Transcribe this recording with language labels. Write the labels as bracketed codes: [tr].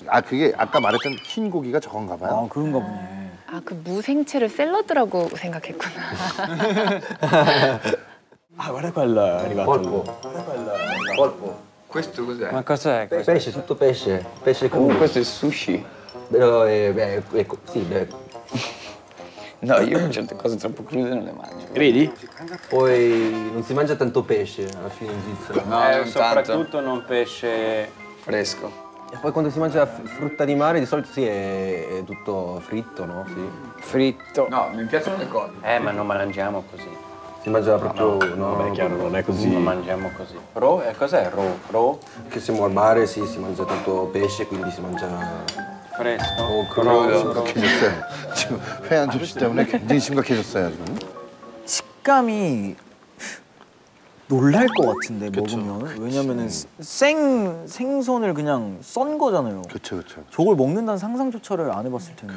[ko] 아, 그게 아까 말했던 흰 고기가 저건가 봐요. 아, 그런가 보네. 아, 그 무생채를 샐러드라고 생각했구나. [it] 아, guarda quello arrivato. Polpo. Polpo. Questo cos'è? Ma cos'è? Pesce, tutto pesce. Pesce con questo è sushi. Però ecco, sì, beh. No, io certe cose troppo crude non le mangio. Credi? Poi non si mangia tanto pesce alla fine in Svizzera. No, soprattutto non pesce fresco. E poi quando si mangia frutta di mare, di solito sì, è tutto fritto, no? Sì. Fritto. No, mi piacciono le cose. Ma non mangiamo così. Si mangia proprio... No, vabbè, chiaro, non è così. Non mangiamo così. Raw? Cos'è raw? Raw? Che siamo al mare, sì, si mangia tanto pesce, quindi si mangia... Fresco. O crudo. Crudo. [ko] Cioè, 회 안 접시 때문에 굉장히 심각해졌어요, 지금. 식감이... 놀랄 것 같은데 그쵸, 먹으면 그치. 왜냐면은 생선을 그냥 썬 거잖아요. 그렇죠. 저걸 먹는다는 상상조차를 안 해봤을 텐데.